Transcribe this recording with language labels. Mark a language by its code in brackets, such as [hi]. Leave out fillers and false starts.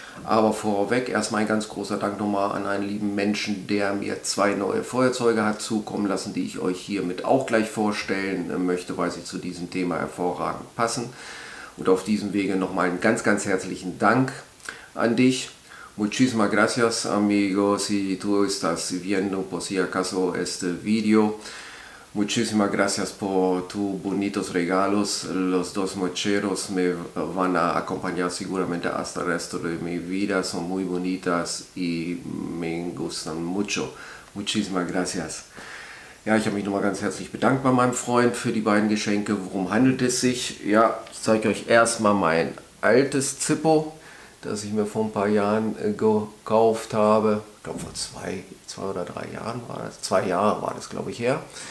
[de] Aber vorweg erstmal ein ganz großer Dank nochmal an einen lieben Menschen, der mir zwei neue Feuerzeuge hat zukommen lassen, die ich euch hiermit auch gleich vorstellen möchte, weil sie zu diesem Thema hervorragend passen. Und auf diesem Wege nochmal einen ganz, ganz herzlichen Dank an dich. [es] Muchísimas gracias, amigo. Si tú estás viendo por si acaso este video. Muchísimas gracias por tus bonitos regalos. Los dos mocheros me van a acompañar seguramente hasta el resto de mi vida. Son muy bonitas y me gustan mucho. Muchísimas gracias. [de] Ja, ich habe mich nochmal ganz herzlich bedankt bei meinem Freund für die beiden Geschenke. Worum handelt es sich? Ja, ich zeige euch erstmal mein altes Zippo, das ich mir vor ein paar Jahren gekauft habe. Ich glaube, vor zwei oder drei Jahren war das. 2 Jahre war das, glaube ich, her.